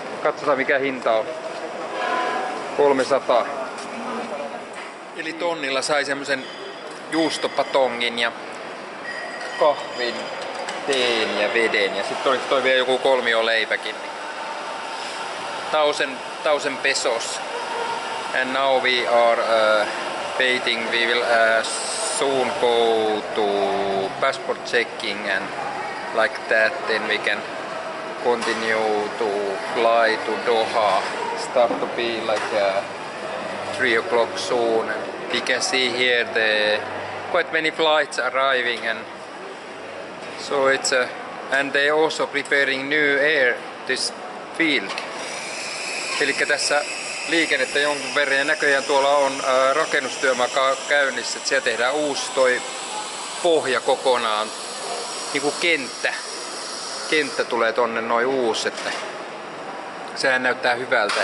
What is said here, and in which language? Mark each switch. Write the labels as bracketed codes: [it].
[fi] Katsotaan mikä hinta on. 300. Eli tonnilla sai semmosen juustopatongin ja kahvin, teen ja veden ja sitten oliko toi vielä joku kolmio leipäkin. [en] Thousand pesos. And now we are waiting. We will soon go to passport checking and like that, then we can continue to fly to Doha. Start to be like 3 o'clock soon. And we can see here the quite many flights arriving, and so it's and they also preparing new air this field. [fi] Elikkä tässä liikennettä jonkun verran, ja näköjään tuolla on rakennustyömaa käynnissä, että siellä tehdään uusi toi pohja kokonaan, niinku kenttä. Kenttä tulee tonne noin uusi, että sehän näyttää hyvältä.